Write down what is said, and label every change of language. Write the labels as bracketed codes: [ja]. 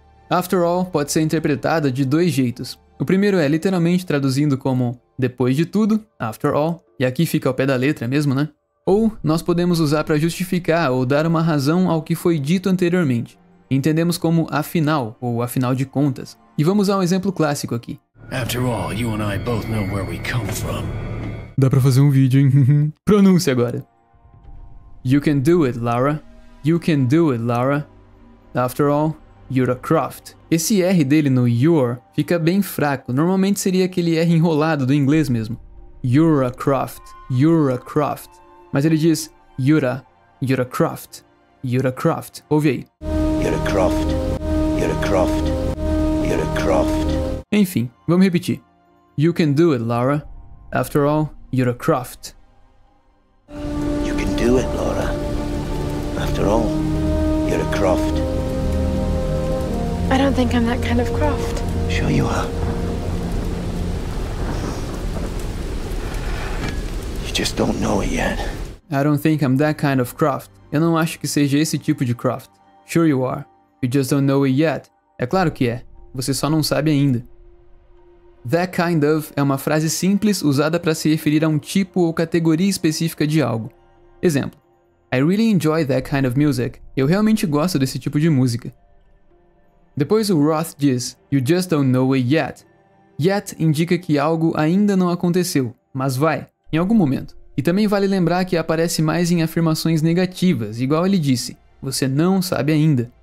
[pt] After all pode ser interpretada de dois jeitos. O primeiro é literalmente traduzindo como depois de tudo, after all, e aqui fica ao pé da letra mesmo, né? Ou nós podemos usar para justificar ou dar uma razão ao que foi dito anteriormente. Entendemos como afinal, ou afinal de contas. E vamos a um exemplo clássico aqui. [en] After all, you and I both know where we come from. [pt] Dá pra fazer um vídeo, hein? Pronúncia agora. [en] You can do it, Laura. You can do it, Laura. After all, you're a Croft. [pt] Esse R dele no you're fica bem fraco. Normalmente seria aquele R enrolado do inglês mesmo. [en] You're a Croft. You're a Croft. [pt] Mas ele diz [en] you're a. You're a Croft. You're a Croft. [pt] Ouve aí. [en] You're a Croft. You're a Croft. You're a Croft. [pt] Enfim, vamos repetir. [en] You can do it, Laura. After all, you're a Croft. You can do it, Laura. After all, you're a Croft. I don't think I'm that kind of Croft. Sure you are. You just don't know it yet. I don't think I'm that kind of Croft. [pt] Eu não acho que seja esse tipo de Croft. [en] Sure you are. You just don't know it yet. [pt] É claro que é. Você só não sabe ainda. That kind of é uma frase simples usada para se referir a um tipo ou categoria específica de algo. Exemplo. [en] I really enjoy that kind of music. [pt] Eu realmente gosto desse tipo de música. Depois o Roth diz, [en] you just don't know it yet. [pt] Yet indica que algo ainda não aconteceu, mas vai, em algum momento. E também vale lembrar que aparece mais em afirmações negativas, igual ele disse, você não sabe ainda.